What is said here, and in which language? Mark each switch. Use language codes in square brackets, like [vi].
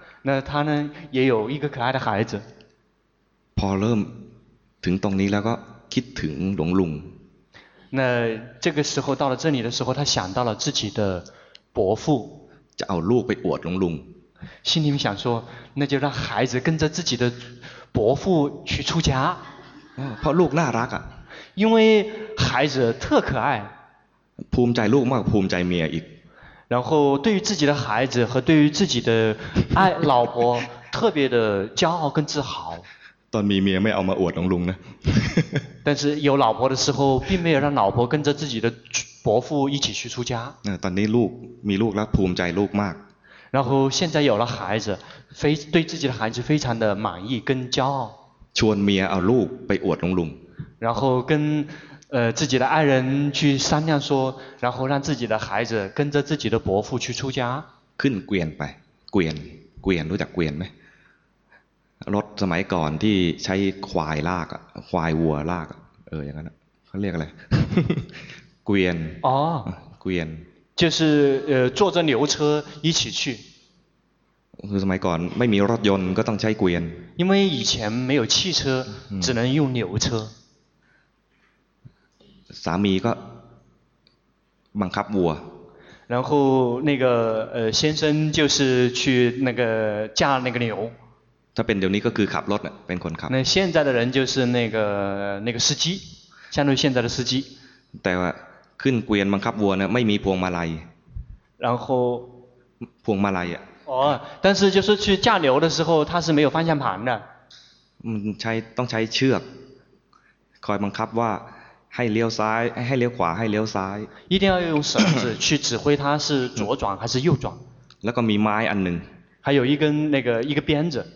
[zh] 那他呢也有一个可爱的孩子 [th] พอเริ่มถึงตรงนี้แล้วก็คิดถึงหลวงลุง [zh] 那这个时候到了这里的时候他想到了自己的伯父 [th] จะเอาลูกไปอวดหลวงลุง [zh] 心里面想说那就让孩子跟着自己的伯父去出家 [th] เพราะลูกน่ารักอ่ะ [zh] 因为孩子特可爱 [th] ภูมิใจลูกมากภูมิใจเมียอีก [zh] 然后对于自己的孩子和对于自己的爱老婆特别的骄傲跟自豪 [th] ตอนมีเมียไม่เอามาอวดลุงนะ [zh] 但是有老婆的时候并没有让老婆跟着自己的伯父一起去出家 [th] ตอนนี้ลูกมีลูกแล้วภูมิใจลูกมาก [zh] 然后现在有了孩子非对自己的孩子非常的满意跟骄傲 [th] ชวนเมียเอาลูกไปอวดลุง [zh] 然后跟自己的爱人去商量说然后让自己的孩子跟着自己的伯父去出家 [th] ขึ้นเกวียนไปเกวียนเกวียนรู้จักเกวียนไหมรถสมัยก่อนที่ใช้ควายลากควายวัวลากอย่างนั้นเขาเรียกอะไรเกวียน อ๋อ เกวียน [zh] 就是坐着牛车一起去 [th] คือสมัยก่อนไม่มีรถยนต์ก็ต้องใช้เกวียน [zh] 因为以前没有汽车只能用牛车 [th] สามีก็บังคับวัว [zh] 然后那个先生就是去那个驾那个牛 [th] ถ้าเป็นเดี๋ยวนี้ก็คือขับรถเป็นคนขับ [zh] 那现在的人就是那个司机相当于现在的司机 [th] แต่ว่าขึ้นเกวียนบังคับวัวเนี่ยไม่มีพวงมาลัย [zh] 然后 [th] พวงมาลัย [zh] อ๋อ但是就是去驾牛的时候他是没有方向盘的 [th] มันใช้ต้องใช้เชือกคอยบังคับว่าให้เลี้ยวซ้ายให้เลี้ยวขวาให้เลี้ยวซ้าย [zh] 一定要用绳子去指挥它是左转还是右转 [th] แล้วก็มีไม้อันหนึ่ง [zh] 还有一根那个一个鞭子